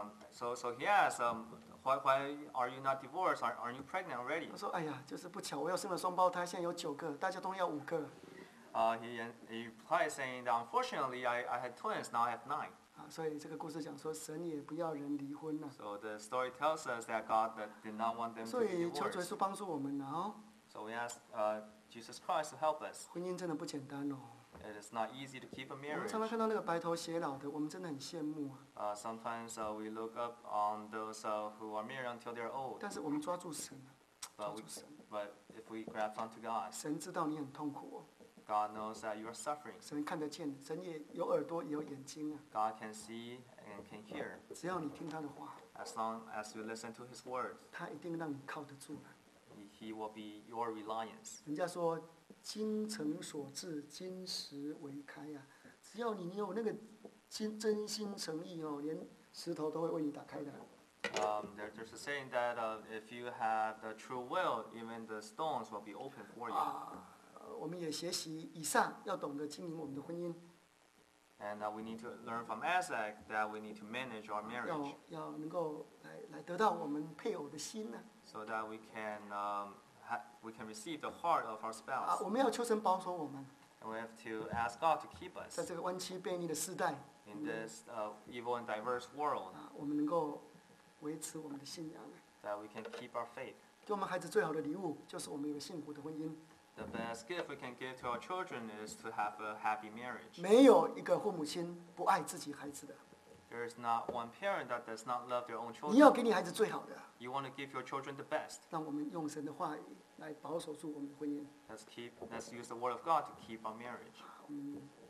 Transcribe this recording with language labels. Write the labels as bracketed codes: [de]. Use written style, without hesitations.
[en] So he asked, Why are you not divorced? Are you pregnant already? [zh] 我说，哎呀，就是不巧，我又生了双胞胎，现在有九个，大家都要五个。 [en] He replies saying that unfortunately I had twins, now I have nine. [zh] 所以这个故事讲说神也不要人离婚了。 [en] So the story tells us that God did not want them to divorce. [zh] 所以求主耶稣帮助我们啊。 [en] So we ask Jesus Christ to help us. [zh] 婚姻真的不简单哦。 [en] It is not easy to keep a marriage. [zh] 我们常常看到那个白头偕老的，我们真的很羡慕啊。 [en] Sometimes we look up on those who are married until they're old. [zh] 但是我们抓住神。 [en] But if we grab onto God, [zh] 神知道你很痛苦哦。 [en] God knows that you are suffering. [zh] 神看得见，神也有耳朵，也有眼睛啊。 [en] God can see and can hear. [zh] 只要你听他的话。 [en] As long as you listen to His words, [zh] 他一定让你靠得住的。 [en] He will be your reliance. [zh] 人家说，金诚所至，金石为开呀。只要你有那个真心诚意哦，连石头都会为你打开的。 [en] There's a saying that if you have the true will, even the stones will be open for you. [zh] 我们也学习以上，要懂得经营我们的婚姻。 [en] And we need to learn from Isaac that we need to manage our marriage. [zh] 要能够来得到我们配偶的心呢。 [en] So that we can we can receive the heart of our spouse. [zh] 我们要求神保守我们。 [en] And we have to ask God to keep us. [zh] 在这个弯曲悖逆的时代。 [en] In this evil and diverse world. [zh] 我们能够维持我们的信仰。 [en] That we can keep our faith. [zh] 给我们孩子最好的礼物就是我们有幸福的婚姻。 [en] The best gift we can give to our children is to have a happy marriage. [zh] 没有一个父母亲不爱自己孩子的。 [en] There is not one parent that does not love their own children. [zh] 你要给你孩子最好的。 [en] You want to give your children the best. [zh] 让我们用神的话语来保守住我们的婚姻。 [en] Let's use the word of God to keep our marriage.